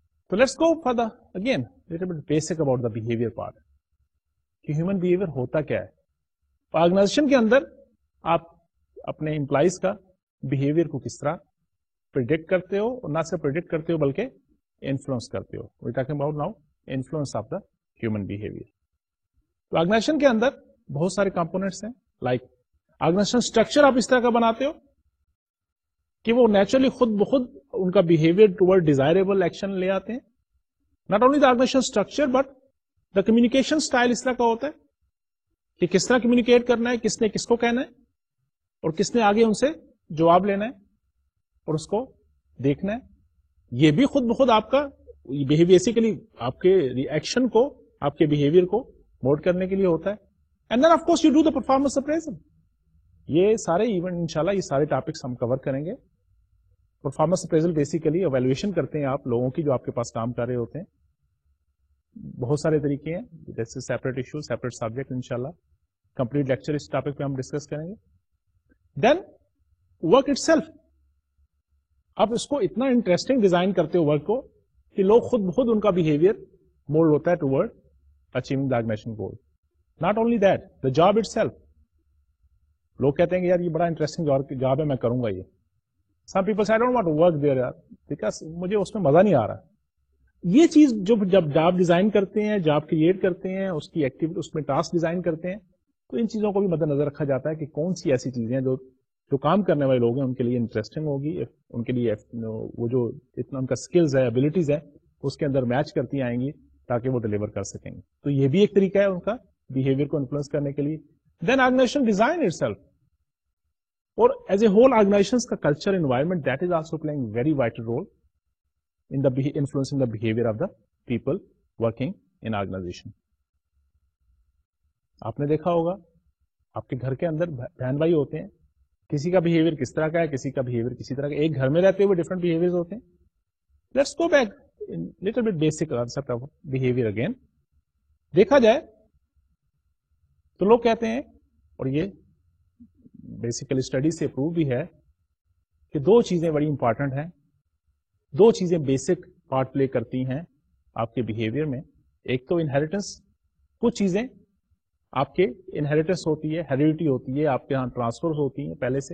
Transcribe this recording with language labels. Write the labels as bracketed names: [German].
[English] تو let's go for the again little bit basic about the behaviour part, [Urdu] کہ human behaviour ہوتا کیا ہے. آرگنائزیشن کے اندر آپ اپنے امپلائیز کا بیہیویئر کو کس طرح پرڈکٹ کرتے ہو, اور نہ صرف پرڈکٹ کرتے ہو بلکہ انفلوئنس کرتے ہو. [English] We talking about now influence of the human behaviour. [Urdu] Organization کے اندر بہت سارے کمپونیٹس ہیں, لائک آرگنائزیشن اسٹرکچر آپ اس طرح کا بناتے ہو کہ وہ نیچرلی خود بخود ان کا بیہیویئر ٹوورڈ ڈیزائریبل ایکشن لے آتے ہیں. [English] not only the organization structure but [Urdu] the communication style اس طرح کا ہوتا ہے کہ کس طرح کمیونیکیٹ کرنا ہے, کس نے کس کو کہنا ہے, اور کس نے آگے ان سے جواب لینا ہے اور اس کو دیکھنا ہے. یہ بھی خود بخود آپ کا بیہیویئر, بیسیکلی آپ کے ریئیکشن کو, آپ کے بیہیویئر کو موڈ کرنے کے لیے ہوتا ہے. [English] And then of course you do the performance appraisal. [Urdu] یہ سارے ایونٹ ان شاء اللہ یہ سارے ٹاپکس ہم کور کریں گے. پرفارمنس اپریزل بیسیکلی ایویلویشن کرتے ہیں آپ لوگوں کی جو آپ کے پاس کام کر رہے ہوتے ہیں. بہت سارے طریقے ہیں, [English] this is separate issue, [Urdu] سیپریٹ سبجیکٹ, ان شاء اللہ کمپلیٹ لیکچر اس ٹاپک پہ ہم ڈسکس کریں گے. دین ورک اٹ سیلف, آپ اس کو اتنا انٹرسٹنگ ڈیزائن کرتے ہو ورک کو کہ لوگ خود بخود ان کا بیہیویئر مولڈ ہوتا ہے toward achieving the organization goal. Not only that, the job it self, لوگ کہتے ہیں کہ یار یہ بڑا انٹرسٹنگ جاب ہے, میں کروں گا یہ. [English] some people سے I don't want to work there [Urdu] یار, بیکاز مجھے اس میں مزہ نہیں آ رہا. یہ چیز جو جب جاب ڈیزائن کرتے ہیں, جاب کریٹ کرتے ہیں, اس کی ایکٹیویٹی, اس میں ٹاسک ڈیزائن کرتے ہیں, تو ان چیزوں کو بھی مد نظر رکھا جاتا ہے کہ کون سی ایسی چیزیں ہیں جو کام کرنے والے لوگ ہیں ان کے لیے انٹرسٹنگ ہوگی, ان کے لیے وہ جو اتنا ان کا اسکلز ہے, ابلیٹیز ہے, اس کے اندر میچ کرتی آئیں گی تاکہ وہ ڈلیور کر سکیں گے. تو یہ بھی ایک طریقہ ہے ان کا بیہیویئر کو انفلوئنس کرنے کے لیے. [English] then organization design itself, [Urdu] اور ایز اے ہول آرگنائزیشن کا culture environment, [English] That is also playing very vital role in the influencing the behaviour of the people working in organization. [Urdu] آپ نے دیکھا ہوگا آپ کے گھر کے اندر بہن بھائی ہوتے ہیں, کسی کا بیہیویئر کس طرح کا ہے, کسی کا بیہیویئر کسی طرح کا, ایک گھر میں رہتے ہوئے ڈفرنٹ بیہیویئر ہوتے ہیں. [English] Let's go back little bit basic concept of behaviour again. [Urdu] دیکھا جائے تو لوگ کہتے ہیں, اور یہ بیسیکلی اسٹڈی سے پروو بھی ہے, کہ دو چیزیں بڑی امپارٹنٹ ہیں, دو چیزیں بیسک پارٹ پلے کرتی ہیں آپ کے بیہیویئر میں. ایک تو انہیریٹنس, کچھ چیزیں آپ کے انہیریٹنس ہوتی ہے, ہیریڈیٹی ہوتی ہے, آپ کے یہاں ٹرانسفر ہوتی ہیں پہلے سے.